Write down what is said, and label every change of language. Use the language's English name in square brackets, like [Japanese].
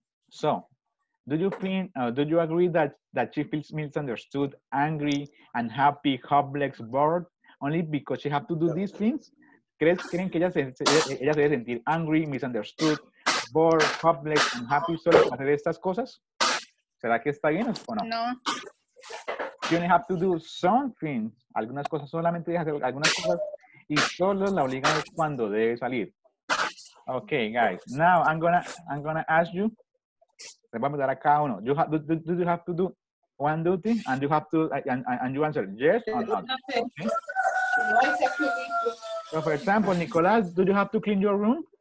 [English] So, do you agree that she feels misunderstood, angry, unhappy, hopeless, bored, only because she has to do these things? [Spanish] ¿Creen que ella se debe sentir angry, misunderstood, bored, hopeless, unhappy, solo para hacer estas cosas? ¿Será que está bien o no? No. [English] You only have to do some things. [Spanish] Algunas cosas solamente deja hacer algunas cosas y solo la obligan cuando debe salir. [English] Okay, guys. Now I'm gonna ask you. Do you have to do one duty, and you have to and you answer yes or not? Okay. So for example, Nicolás, do you have to clean your room?